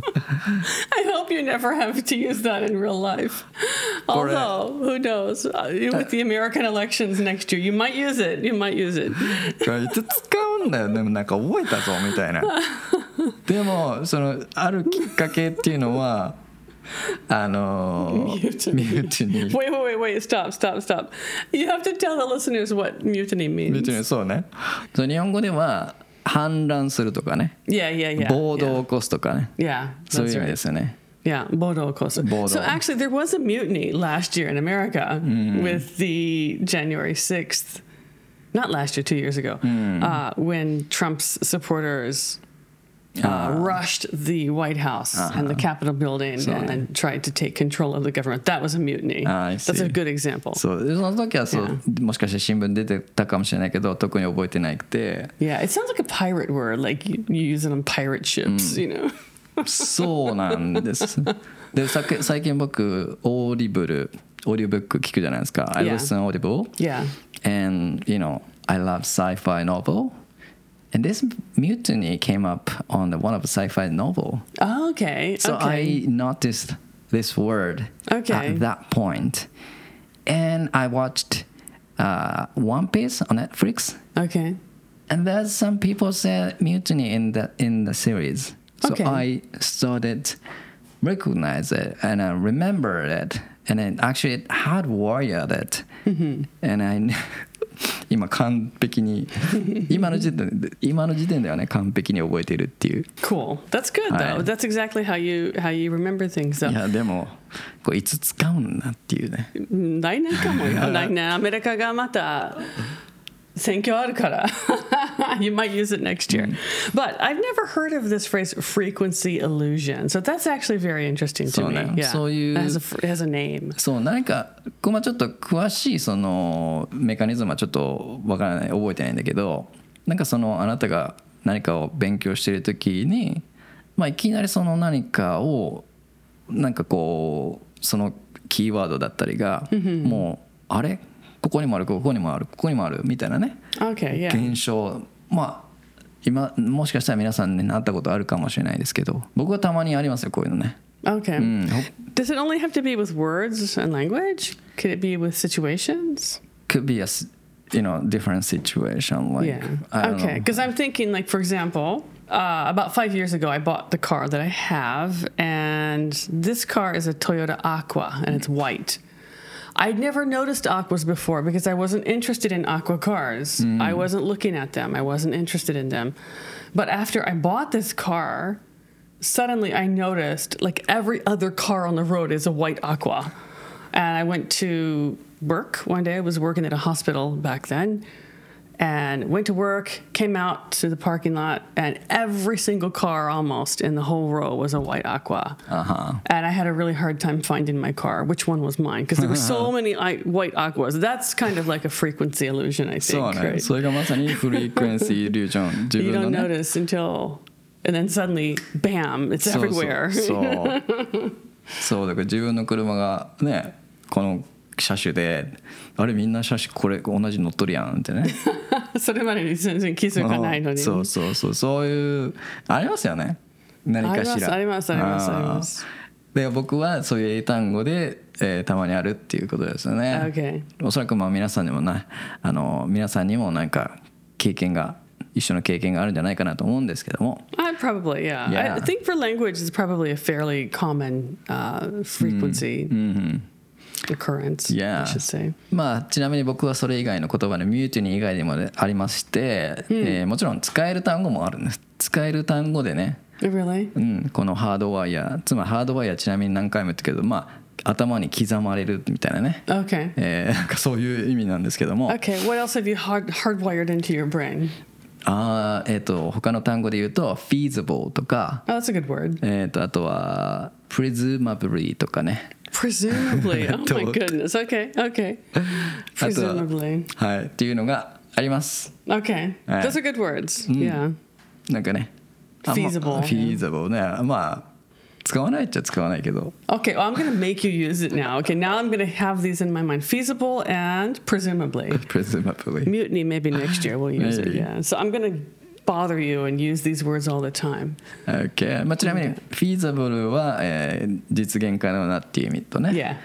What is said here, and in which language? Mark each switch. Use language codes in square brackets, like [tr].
[en] I hope you never have to use that in real life. Although, who knows? With the American elections next year, you might use it. You might use it. [ja] これいつ使うんだよ。でもなんか覚えたぞみたいな。でもそのあるきっかけっていうのは、 [en] mutiny. Wait, wait, wait, wait. Stop, stop, stop. You have to tell the listeners what mutiny means. [ja] Mutiny, そうね。そう、日本語では反乱するとかね。 [en] Yeah, yeah, yeah. [ja] 暴動を起こすとかね。 [en] Yeah, that's right. [ja] そういう意味ですよね。 [en] Yeah, [ja] 暴動を起こす。暴動。 [en] So actually, there was a mutiny last year in America with the January 6th. Not last year, 2 years ago. When Trump's supporters... rushed the White House and the Capitol building and tried to take control of the government. That was a mutiny. That's a good example. So, [ja] その時はそう、もしかして新聞出てたかもしれないけど、特に覚えてなくて。 [en] Yeah, it sounds like a pirate word, like you use it on pirate ships, you know. [ja] そうなんです。で、最近僕、オーディブック聞くじゃないですか。 [en] I listen Audible. Yeah. And, you know, I love sci-fi novel. And this mutiny came up on one of the sci-fi novel. Oh, okay. So okay. I noticed this word okay. at that point. And I watched One Piece on Netflix. Okay. And there's some people said mutiny in the series. So okay. I started recognize it and I remembered it. And then actually it had warrior it. And I... [ja] 今完璧に今の時点ではね完璧に覚えているっていう。 [en] Cool. That's good though.、 [ja] はい、 [en] That's exactly how you remember things though. [ja] いやでもこれいつ使うんだっていうね。来年かもよ。来年アメリカがまた選挙あるから。 [en] You might use it next year.、 [ja] うん、 [en] But I've never heard of this phrase frequency illusion. So that's actually very interesting to me. [ja] そうね。 [en] Yeah. [ja] そういう。 [en] It has a name. [ja] そう、何か、ちょっと詳しいそのメカニズムはちょっとわからない、覚えてないんだけど、なんかそのあなたが何かを勉強してるときに、まあいきなりその何かを、なんかこう、そのキーワードだったりが、もう、あれここにもある、ここにもある、ここにもあるみたいなね。 [en] Okay, yeah. [ja] 現象、まあ今もしかしたら皆さんね、なったことあるかもしれないですけど、僕はたまにありますよこういうのね。 [en] Okay.、 [ja] うん、 [en] Does it only have to be with words and language? Could it be with situations? Could be a you know different situation like. Yeah. Okay. Because I'm thinking like for example, about 5 years ago, I bought the car that I have, and this car is a Toyota Aqua, and it's white. I'd never noticed aquas before because I wasn't interested in aqua cars. Mm. I wasn't looking at them. I wasn't interested in them. But after I bought this car, suddenly I noticed like every other car on the road is a white aqua. And I went to work one day. I was working at a hospital back then. And went to work, came out to the parking lot, and every single car almost in the whole row was a white aqua. Uh-huh. And I had a really hard time finding my car, which one was mine, because there were so many white aquas. That's kind of like a frequency illusion, I think. [ja] そうね。それがまさにフリークエンシーイリュージョン。自分のね。 [en] You don't notice until, and then suddenly, bam, it's everywhere. [ja] そうそう。そう。だから自分の車がね、この車種で、あれみんな車種これ同じ乗っとるやんってね。それまでに全然気づかないのに。そうそうそう、そういうありますよね。何かしら。ありますありますあります。で僕はそういう英単語で、たまにあるっていうことですよね。 [en] Okay. [ja] おそらくまあ皆さんにもな、皆さんにもなんか経験が一緒の経験があるんじゃないかなと思うんですけども。 [en] I probably, yeah. yeah. I think for language, it's probably a fairly common frequency occurrence, yeah. I should say. [ja] まあ、ちなみに僕はそれ以外の言葉で、ミューティニー以外でもありまして、もちろん使える単語もあるんです。使える単語でね。 [en] Really? [ja] うん、このハードワイヤー。つまりハードワイヤー、ちなみに何回も言ったけど、まあ、頭に刻まれるみたいなね。 [en] Okay. [ja] なんかそういう意味なんですけども。 [en] Okay. What else have you hardwired into your brain? [ja] 他の単語で言うと feasible とか。 [en] Oh, that's a good word. [ja] あとは presumably とかね。 [en] Presumably. Oh my goodness. Okay. Okay. Presumably. [ja] はい。っていうのがあります。 [en] Okay. Those are good words.、 [ja] うん、 [en] yeah. [ja] なんかね。 [en] Feasible. [ja] Feasible. ね。まあ。使わないっちゃ使わないけど。 [en] Okay, well, I'm gonna make you use it now. Okay, now I'm gonna have these in my mind. Feasible and presumably. Presumably. Mutiny, maybe next year we'll use maybe. It. Yeah. So I'm gonna bother you and use these words all the time. [ja] Okay. まあ、ちなみに、okay. feasible は、実現可能なっていう意味とね。